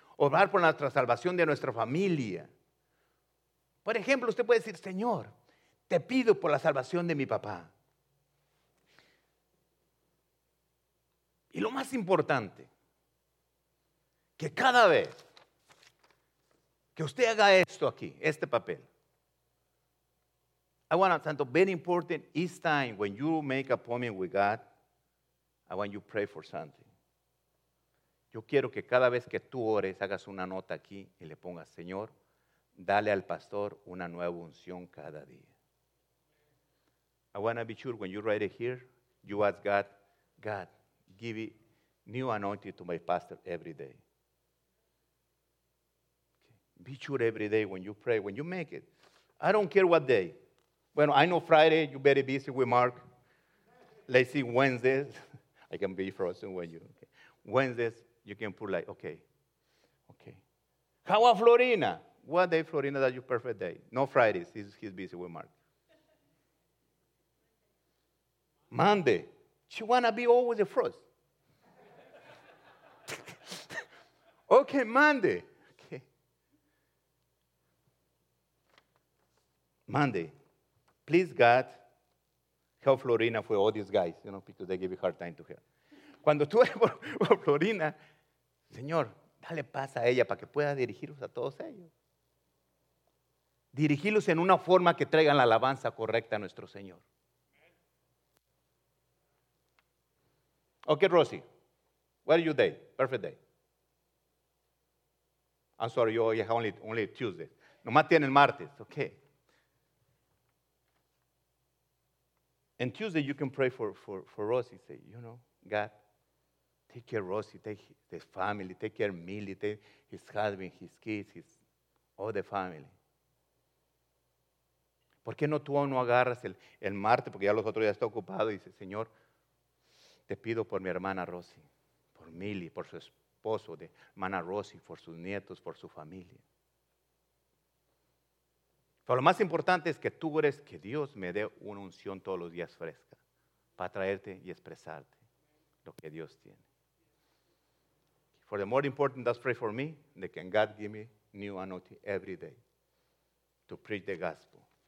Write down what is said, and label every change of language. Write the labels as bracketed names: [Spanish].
[Spanish] Orar por la salvación de nuestra familia. Por ejemplo, usted puede decir, Señor, te pido por la salvación de mi papá. Y lo más importante, que cada vez que usted haga esto aquí, este papel, [English] I want something very important. Each time when you make a appointment with God, I want you to pray for something. [Spanish] Yo quiero que cada vez que tú ores, hagas una nota aquí y le pongas, Señor, dale al pastor una nueva unción cada día. [English] I want to be sure when you write it here, you ask God, God, give me new anointing to my pastor every day. Be sure every day when you pray, when you make it. I don't care what day. Bueno, I know Friday, you very busy with Mark. Let's see Wednesdays. I can be frozen with you. Okay. Wednesdays, you can put like, okay. Okay. How are Florina? What day, Florina, that's your perfect day? No Fridays, he's busy with Mark. Monday. She wanna be always a frost. Okay, Monday. Monday, please God, help Florina for all these guys, you know, because they give a hard time to her. [Spanish] Cuando tú eres por Florina, Señor, dale paz a ella para que pueda dirigirlos a todos ellos. Dirigirlos en una forma que traigan la alabanza correcta a nuestro Señor. [English] Okay, Rosie, what are your day? Perfect day. I'm sorry, you have only Tuesday. [Spanish] Nomás tienen martes, okay. [English] And Tuesday you can pray for Rosie. Say, you know, God, take care of Rosie, take his family, take care of Millie, take his husband, his kids, all the family. [Spanish] ¿Por qué no tú aún no agarras el martes? Porque ya los otros ya están ocupados. Y dice, Señor, te pido por mi hermana Rosie, por Millie, por su, esposo, de hermana Rosy, por sus nietos, por su familia. Pero lo más importante es que tú eres que Dios me dé una unción todos los días fresca para traerte y expresarte lo que Dios tiene. [English] For the more important, that's pray for me, that can God give me new anointing every day to preach the gospel.